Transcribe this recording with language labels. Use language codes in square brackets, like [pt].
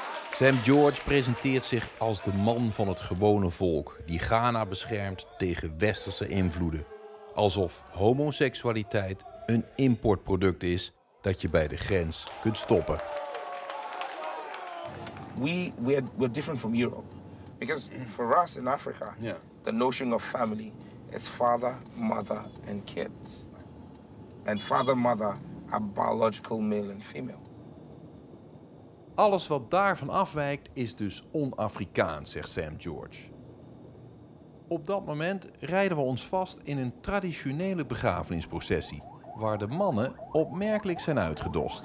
[nl] Sam George presenteert zich als de man van het gewone volk die Ghana beschermt tegen westerse invloeden. Alsof homoseksualiteit een importproduct is dat je bij de grens kunt stoppen. [en] We're different from Europe. Because for us in Africa, the notion of family is father, mother and kids. And father, mother are biological male and female. [nl] Alles wat daarvan afwijkt is dus on-Afrikaans, zegt Sam George. Op dat moment rijden we ons vast in een traditionele begrafenisprocessie, waar de mannen opmerkelijk zijn uitgedost.